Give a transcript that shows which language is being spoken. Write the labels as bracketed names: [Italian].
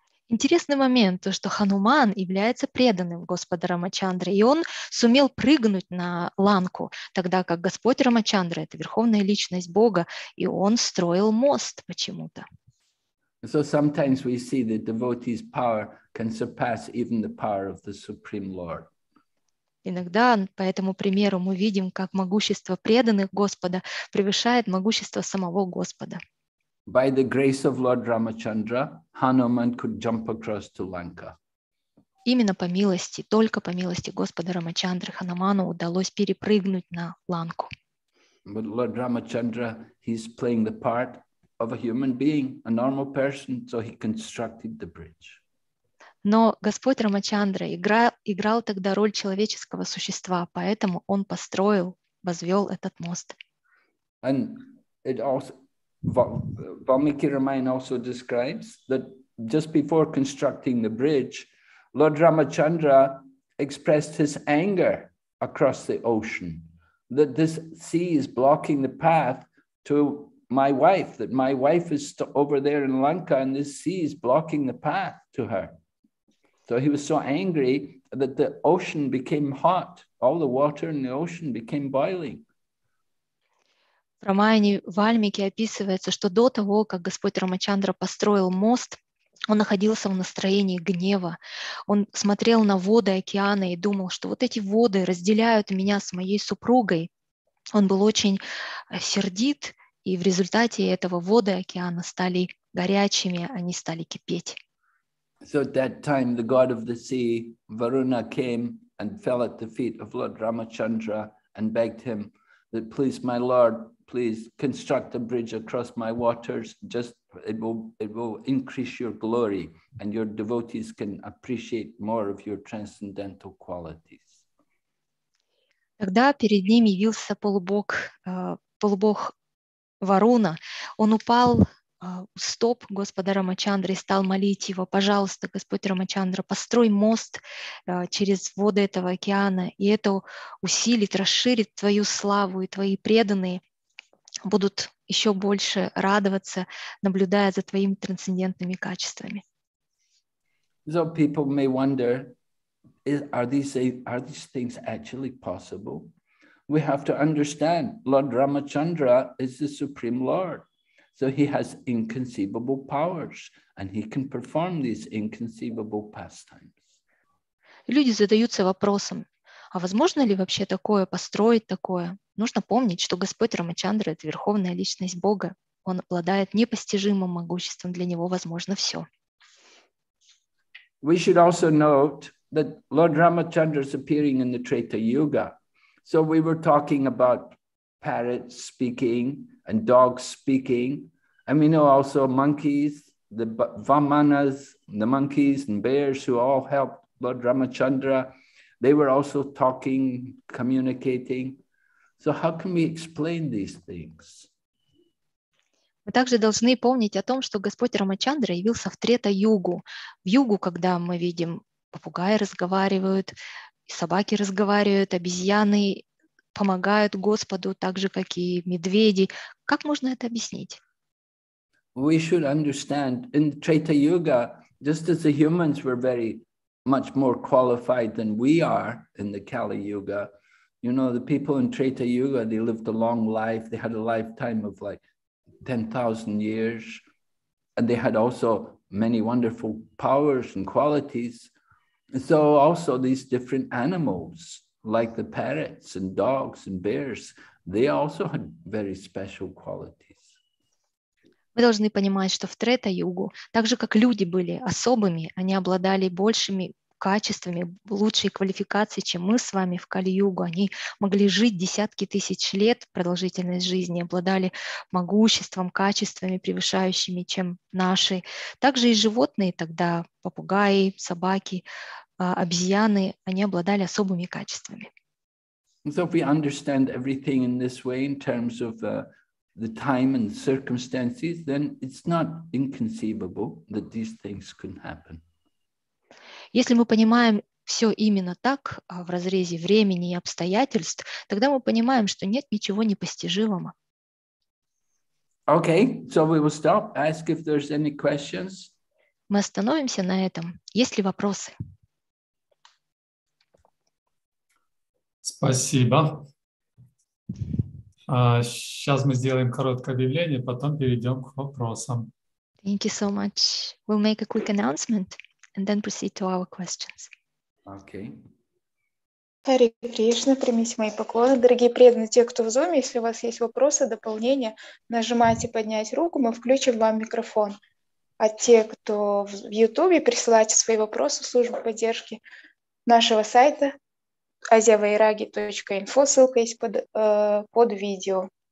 [Russian] Интересный момент, то, что Хануман является преданным Господа Рамачандры, и он сумел прыгнуть на Ланку, тогда как Господь Рамачандра – это верховная личность Бога, и он строил мост почему-то. [English] So sometimes we see that devotee's power can surpass even the power of the Supreme Lord. [Russian] Иногда, по этому примеру, мы видим, как могущество преданных Господа превышает могущество самого Господа. [English] By the grace of Lord Ramachandra, Hanuman could jump across to Lanka. [Russian] Именно по милости, только по милости Господа Рамачандры, Хануману удалось перепрыгнуть на Ланку. [English] But Lord Ramachandra, he's playing the part of a human being, a normal person, so he constructed the bridge. [Russian] Но Господь Рамачандра играл тогда роль человеческого существа, поэтому он построил, возвел этот мост. [English] And it also, Valmiki Ramayana also describes that just before constructing the bridge, Lord Ramachandra expressed his anger across the ocean, that this sea is blocking the path to my wife, that my wife is over there in Lanka and this sea is blocking the path to her. So he was so angry that the ocean became hot. All the water in the ocean became boiling. [Russian] В Рамаяне Вальмики описывается, что до того, как Господь Рамачандра построил мост, он находился в настроении гнева. Он смотрел на воды океана и думал, что вот эти воды разделяют меня с моей супругой. Он был очень сердит, и в результате этого воды океана стали горячими, они стали кипеть. [English] So at that time, the god of the sea, Varuna, came and fell at the feet of Lord Ramachandra and begged him that, please, my lord, please construct a bridge across my waters. Just it will increase your glory, and your devotees can appreciate more of your transcendental qualities. [Russian] Тогда перед ним явился полубог, полубог Варуна. Он упал у стоп Господа Рамачандры и стал молить его: пожалуйста, Господь Рамачандра, построй мост через воды этого океана, и это усилит, расширит твою славу, и твои преданные будут еще больше радоваться, наблюдая за твоими трансцендентными качествами. [English] So people may wonder, are these things actually possible? We have to understand, Lord Ramachandra is the Supreme Lord. So he has inconceivable powers, and he can perform these inconceivable pastimes. [Russian] Люди задаются вопросом, а возможно ли вообще такое, построить такое? Нужно помнить, что Господь Рамачандра — это верховная личность Бога. Он обладает непостижимым могуществом, для него возможно все. [English] We should also note that Lord Ramachandra is appearing in the Treta Yuga. So we were talking about parrots speaking and dogs speaking, and we know also monkeys, the Vamanas, the monkeys and bears who all helped Lord Ramachandra, they were also talking, communicating. So how can we explain these things? [Russian] Мы также должны помнить о том, что Господь Рамачандра явился в Трета-югу. В югу, когда мы видим, попугаи разговаривают, собаки разговаривают, обезьяны помогают Господу, так же, как и медведи. Как можно это объяснить? [English] We should understand, in Treta Yuga, just as the humans were very much more qualified than we are in the Kali Yuga, you know, the people in Treta Yuga, they lived a long life, they had a lifetime of like 10,000 years, and they had also many wonderful powers and qualities. So also these different animals, like the parrots and dogs and bears, they also had very special qualities. [Russian] Мы должны понимать, что в Трета-югу, так же как люди были особыми, они обладали большими качествами, лучшей квалификацией, чем мы с вами в Кали-югу. Они могли жить десятки тысяч лет продолжительность жизни, обладали могуществом, качествами, превышающими, чем наши. Также и животные тогда, попугаи, собаки, обезьяны, они обладали особыми качествами. [English] So if we understand everything in this way, in terms of the time and circumstances, then it's not inconceivable that these things can happen. [Russian] Если мы понимаем все именно так, в разрезе времени и обстоятельств, тогда мы понимаем, что нет ничего непостижимого. [English] Okay, so we will stop, ask if there's any questions. [Russian] Мы остановимся на этом. Есть ли вопросы? Спасибо. Сейчас мы сделаем короткое объявление, потом перейдем к вопросам. [English] Thank you so much. We'll make a quick announcement and then proceed to our questions. Okay. [Russian] Hare Krishna, примите мои поклоны. Дорогие преданные, те, кто в зуме, если у вас есть вопросы, дополнения, нажимайте поднять руку, мы включим вам микрофон. А те, кто в YouTube, присылайте свои вопросы в службу поддержки нашего сайта asiavairagi.info, ссылка есть под видео.